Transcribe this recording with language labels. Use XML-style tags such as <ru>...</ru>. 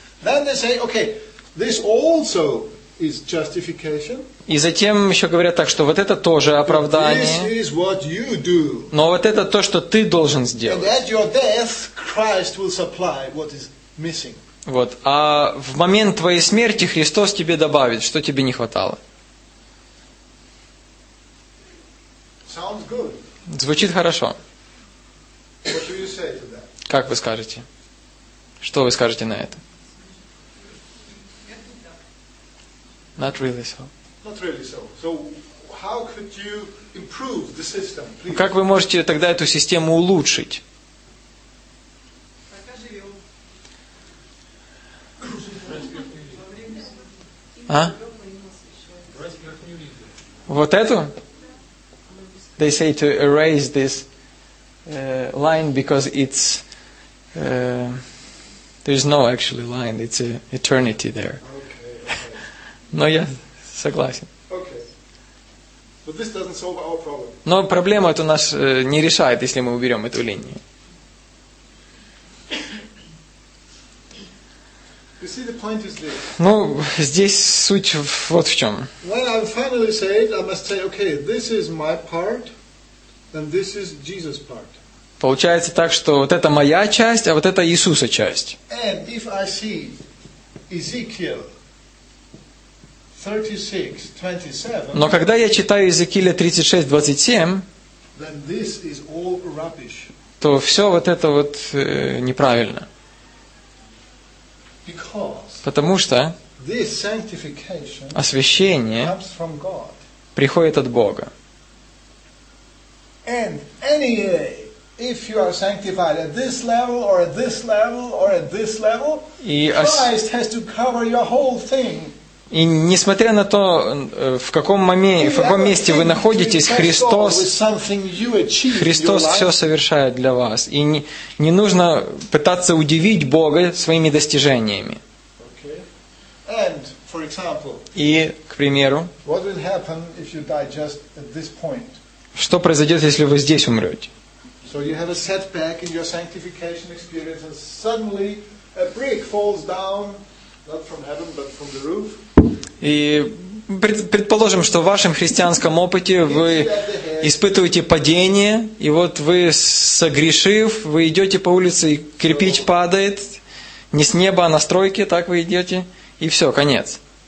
<en>Then they say, okay, This also is justification.</en> <ru>И затем еще говорят так, что вот это тоже оправдание.</ru> <en>This is what you do.</en> <ru>Но вот это то, что ты должен сделать.</ru> <en>And at your death, Christ will supply what is missing.</en> <ru>Вот. А в момент твоей смерти Христос тебе добавит, что тебе не хватало.</ru> <en>Sounds good.</en> <ru>Звучит хорошо.</ru> <en>What do you say to that?</en> <ru>Как вы скажете? Что вы скажете на это?</ru> <en>Not really so. Not really so. So how could you improve the system, please?</en> <ru>Как вы можете тогда эту систему улучшить? Пока живем. А? Вот эту?</ru> <en>They say to erase this line because it's there's no actually line, it's eternity there.</en> <ru>Но я согласен.</ru> <en>Okay. But this doesn't solve our problem.</en> <ru>Но проблема эту нас не решает, если мы уберем эту линию.</ru> <en>You see, the point is this.</en> <ru>Ну, здесь суть вот в чем.</ru> <en>When I'm finally saved, I must say, okay, this is my part, and this is Jesus' part.</en> <ru>Получается так, что вот это моя часть, а вот это Иисуса часть.</ru> <en>And if I see Ezekiel 36:27.</en> <ru>Но когда я читаю Иезекииля 36:27,</ru> <en>then this is all rubbish.</en> <ru>То все вот это вот неправильно.</ru> <en>Because</en> <ru>Потому что</ru> <en>this sanctification</en> <ru>освящение</ru> <en>comes from God.</en> <ru>Приходит от Бога.</ru> <en>And anyway, if you are sanctified at this level or at this level or at this level, Christ has to cover your whole thing.</en> <ru>И несмотря на то, в каком моменте, в каком месте вы находитесь, Христос все совершает для вас. И не нужно пытаться удивить Бога своими достижениями.</ru> <en>And, for example,</en> <ru>и, к примеру,</ru> <en>what will happen if you die just at this point?</en> <ru>Что произойдет, если вы здесь умрете?</ru> <en>So you have a setback in your sanctification experience, and suddenly a brick falls down, not from heaven, but from the roof.</en> <ru>И Предположим, что в вашем христианском опыте вы испытываете падение, и вот вы, согрешив, вы идете по улице, и кирпич падает, не с неба, а на стройке, так вы идете, и все, конец.</ru>